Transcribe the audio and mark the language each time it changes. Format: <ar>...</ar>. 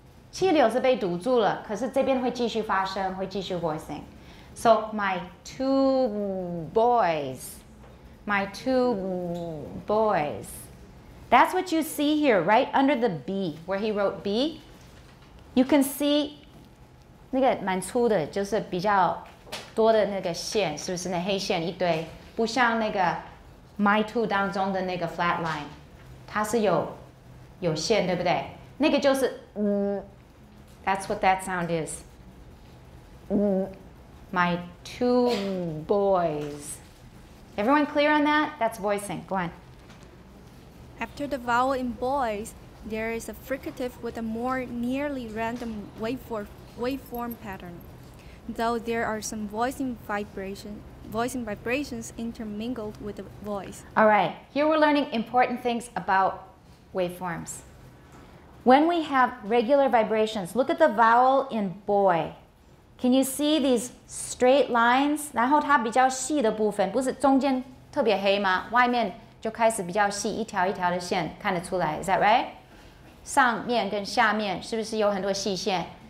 <zh>气流是被堵住了，可是这边会继续发声，会继续</zh> <en>voicing。 So my two boys, my two boys. That's what you see here, right under the B, where he wrote B. You can see.</en> <zh>那个蛮粗的，就是比较多的那个线，是不是那黑线一堆？不像那个</zh> <en>my two</en> <zh>当中的那个</zh> <en>flat line，</en> <zh>它是有线，对不对？那个就是</zh> <en>that's what that sound is。 My two boys， everyone clear on that？ That's voicing. Go on. After the vowel in boys, there is a fricative with a more nearly random waveform pattern, though there are some voicing vibrations intermingled with the voice. All right, here we're learning important things about waveforms. When we have regular vibrations, look at the vowel in boy. Can you see these straight lines?</en> <zh>然后它比较细的部分，不是中间特别黑吗？外面就开始比较细，一条一条的线看得出来。</zh> <en>Is that right?</en> <zh>上面跟下面是不是有很多细线？</zh>